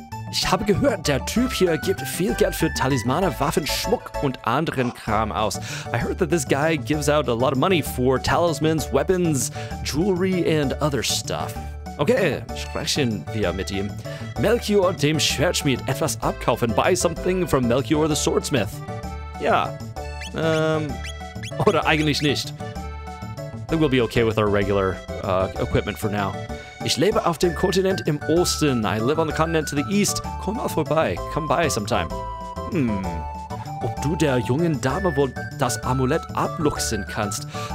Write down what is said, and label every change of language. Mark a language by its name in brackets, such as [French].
[German] Ich habe gehört, der Typ hier gibt viel Geld für Talismane, Waffen, Schmuck und anderen Kram aus. [English] I heard that this guy gives out a lot of money for talismans, weapons, jewelry and other stuff. [German] Okay, sprechen wir mit ihm. Melchior dem Schwertschmied etwas abkaufen. [English] Buy something from Melchior the Swordsmith. [German] Ja. Oder eigentlich nicht. [English] I think we'll be okay with our regular equipment for now. [German] Ich lebe auf dem Kontinent im Osten. [English] I live on the continent to the east. [German] Komm mal vorbei. [English] Come by sometime. [German] Ob du der jungen Dame wohl das Amulett abluchsen kannst?